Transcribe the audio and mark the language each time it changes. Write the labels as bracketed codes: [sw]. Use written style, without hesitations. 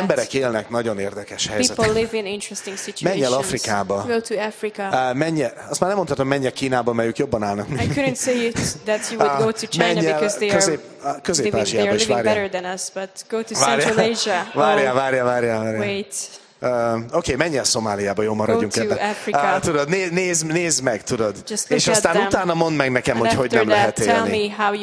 [hu] Emberek élnek nagyon érdekes helyzetekben. [en] People live in interesting situations. [hu] Menj el Afrikába. [en] Go to Africa. [hu] Azt már nem mondhatom, menj el Kínába, mert ők jobban állnak. [en] I couldn't say it, that you would go to China because they are [hu] Közép-Ázsiába [en] living, they are living better than us, but go to Central Asia. [hu] Várjál. [en] Wait. [hu] Okay, menj el Szomáliába, jó, maradjunk ebben. Tudod, nézd meg, tudod. És aztán utána mondd meg nekem, hogy hogy nem lehet élni.